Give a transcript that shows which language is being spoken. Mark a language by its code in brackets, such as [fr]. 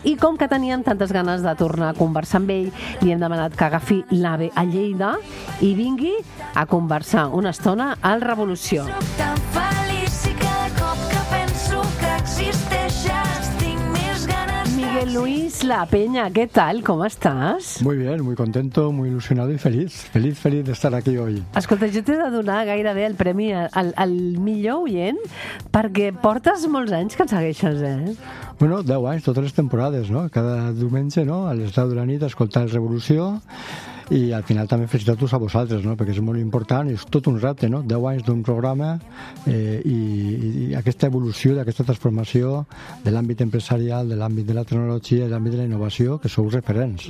[ca] I com que teníem tantes ganes de tornar a conversar amb ell, li hem demanat que agafi l'AVE a Lleida i vingui a conversar una estona al Revolució. Soc tan feliç i cada cop que penso que existeixes tinc més ganes... Miguel Luis La Peña, què tal? Com estàs? [es] Muy bien, muy contento, muy ilusionado y feliz. Feliz, feliz de estar aquí hoy. [ca] Escolta, jo t'he de donar gairebé el premi al millor oient perquè portes molts anys que et segueixes, Bueno, 10 anys, totes les temporades, no? Cada diumenge, no? A les 10 de la nit, escoltar el Revolució, i al final també felicitats a vosaltres, no? Perquè és molt important, és tot un repte, no? 10 anys d'un programa i aquesta evolució, d'aquesta transformació de l'àmbit empresarial, de l'àmbit de la tecnologia, de l'àmbit de la innovació, que sou referents.